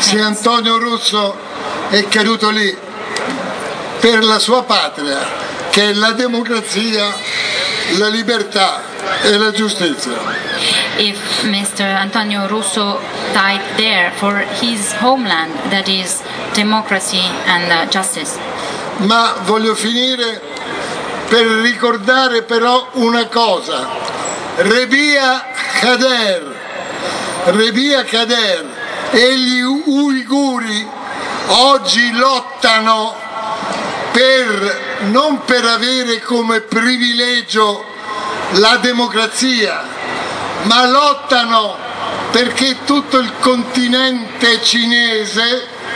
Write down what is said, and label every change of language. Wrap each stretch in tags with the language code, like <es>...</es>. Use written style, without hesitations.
<it>Se Antonio Russo è caduto lì per la sua patria, che è la democrazia, la libertà e la giustizia.</it> <en>If Mr. Antonio Russo died there for his homeland, that is democracy and justice.</en> <it>Ma voglio finire per ricordare però una cosa. Rebia Kader, Rebia Kader e gli uiguri oggi lottano per non per avere come privilegio la democrazia, ma lottano perché tutto il continente cinese,</it>